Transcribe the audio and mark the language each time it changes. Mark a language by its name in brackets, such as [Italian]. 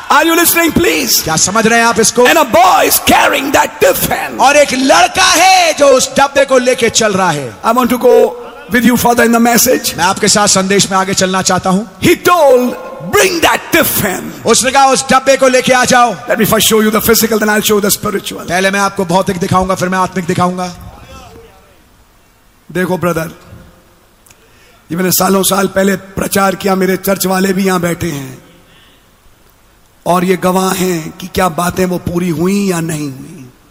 [English] Are you listening, please? [Hindi] क्या समझ रहे हैं आप इसको? [English] And a boy is carrying that tiffin. [Hindi] और एक लड़का है जो उस डब्बे को लेके चल रहा है. [English] I want to go with you further in the message. [Hindi] मैं आपके साथ संदेश में आगे चलना चाहता हूँ. [English] He told, bring that tiffin. [Hindi] उसने कहा उस डब्बे को लेके आ जाओ. [English] Let me first show you the physical, then I'll show the spiritual. [Hindi] पहले मैं आपको भौतिक दिखाऊंगा, फिर मैं आत्मिक दिखाऊंगा. देखो ब्रदर, ये मैंने सालों साल पहले प्रचार किया. मेरे चर्च वाले भी यहां बैठे हैं और ये गवाह हैं कि क्या बातें वो पूरी हुई या नहीं हुई.